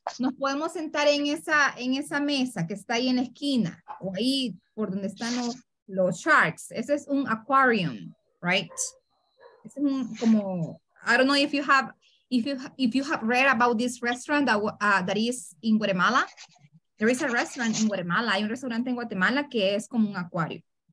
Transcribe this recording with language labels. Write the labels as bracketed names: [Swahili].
[Spanish] Nos podemos sentar en esa mesa que está ahí en la esquina o ahí por donde están los sharks. Ese es un aquarium, right? Es un como [English] I don't know if you have read about this restaurant that is in Guatemala. There is a restaurant in Guatemala. [Spanish] Hay un restaurante en Guatemala que es como un acuario.